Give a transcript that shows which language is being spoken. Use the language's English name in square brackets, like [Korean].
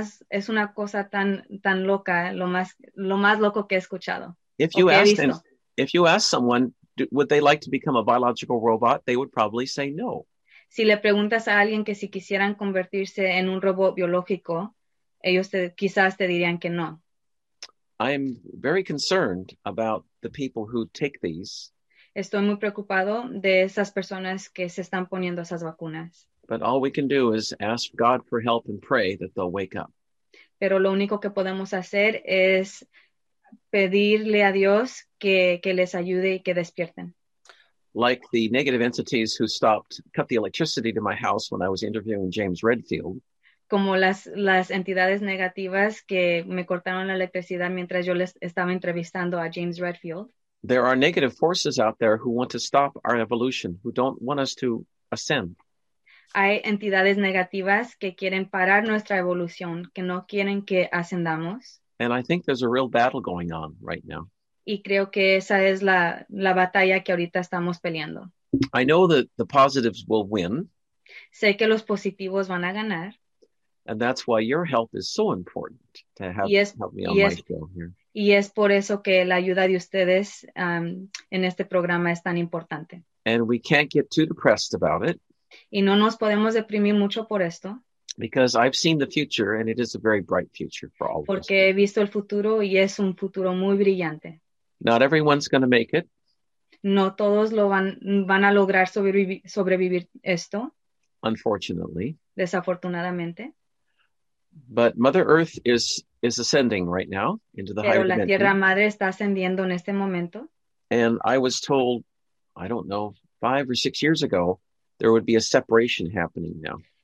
[Spanish] Es una cosa tan tan loca, lo más loco que he escuchado. [English] If you ask someone, would they like to become a biological robot? They would probably say no. [Spanish] Si le preguntas a alguien que si quisieran convertirse en un robot biológico, ellos quizás te dirían que no. [English] I'm very concerned about the people who take these. [Spanish] Estoy muy preocupado de esas personas que se están poniendo esas vacunas. [English] But all we can do is ask God for help and pray that they'll wake up. [Spanish] Pero lo único que podemos hacer es pedirle a Dios que les ayude y que despierten. [English] Like the negative entities who cut the electricity to my house when I was interviewing James Redfield. [Spanish] Como las entidades negativas que me cortaron la electricidad mientras yo les estaba entrevistando a James Redfield. [English] There are negative forces out there who want to stop our evolution, who don't want us to ascend. [Spanish] Hay entidades negativas que quieren parar nuestra evolución, que no quieren que ascendamos. [English] And I think there's a real battle going on right now. [Spanish] Y creo que esa es la batalla que ahorita estamos peleando. [English] I know that the positives will win. [Spanish] Sé que los positivos van a ganar. [English] And that's why your help is so important to have help me on my show here. [Spanish] Y es por eso que la ayuda de ustedes en este programa es tan importante. [English] And we can't get too depressed about it. [Spanish] Y no nos podemos deprimir mucho por esto. [English] Because I've seen the future, and it is a very bright future for all of [Spanish] Porque [English] us. [Spanish] Porque he visto el futuro, y es un futuro muy brillante. [English] Not everyone's going to make it. [Spanish] No todos van a lograr sobrevivir esto. [English] Unfortunately. [Spanish] Desafortunadamente. [English] But Mother Earth is ascending right now into the [Spanish] Pero [English] higher [Spanish] la [English] dimension. [Spanish] Tierra Madre está ascendiendo en este momento. [English] And I was told, I don't know, 5 or 6 years ago, there would be a separation happening now.